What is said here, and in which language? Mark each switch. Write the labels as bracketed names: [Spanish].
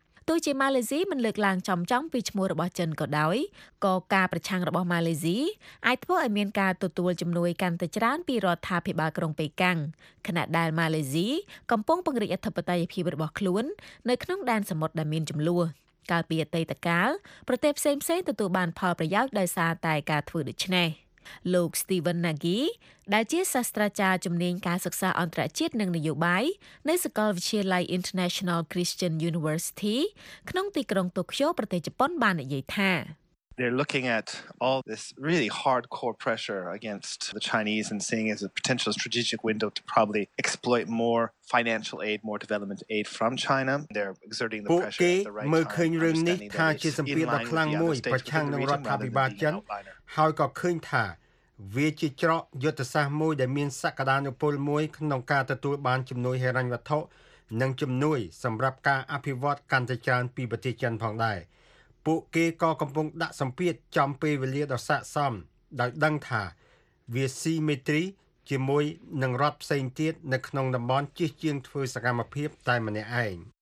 [Khmer] ទោះជាម៉ាឡេស៊ីមិនលើកឡើងចំចំពីឈ្មោះរបស់ចិនក៏ដោយក៏ការប្រឆាំងរបស់ម៉ាឡេស៊ីអាចធ្វើឲ្យមានការទទួលជំនួយកាន់តែច្រើនពីរដ្ឋាភិបាលក្រុងប៉េកាំងខណៈដែលម៉ាឡេស៊ីកំពុងពង្រីកអធិបតេយ្យភាពរបស់ខ្លួននៅក្នុងដែនសមុទ្រដែលមានចំនួនកាលពីអតីតកាលប្រទេសផ្សេងៗទទួលបានផលប្រយោជន៍ដោយសារតែការធ្វើដូច្នេះ លោក Steven Nagy ដែលជាសាស្ត្រាចារ្យជំនាញការសិក្សាអន្តរជាតិនិងនយោបាយនៅសាកលវិទ្យាល័យ International Christian University ក្នុងទីក្រុងតូក្យូប្រទេសជប៉ុនបាននិយាយថា [English] They're looking at all this really hardcore pressure against the Chinese and seeing it as a potential strategic window to probably exploit more financial aid, more development aid from China. They're exerting the pressure at the right time. [Khmer] ពួកគេមើលឃើញរឿងនេះថាជាសម្ពាធដ៏ខ្លាំងមួយប្រឆាំងនឹងរដ្ឋាភិបាលចិនហើយក៏ឃើញថាវាជាច្រកយុទ្ធសាស្ត្រមួយដែលមានសក្តានុពលមួយក្នុងការទទួលបានជំនួយហិរញ្ញវត្ថុនិងជំនួយសម្រាប់ការអភិវឌ្ឍកាន់តែច្រើនពីប្រទេសចិនផងដែរពួកគេក៏កំពុងដាក់សម្ពាធចំពេលវេលាដ៏ស័ក្តិសមដោយដឹងថាវាស៊ីមេត្រីជាមួយនឹងរដ្ឋផ្សេងទៀតនៅក្នុងតំបន់ជិះជាងធ្វើសកម្មភាពតែម្នាក់ឯង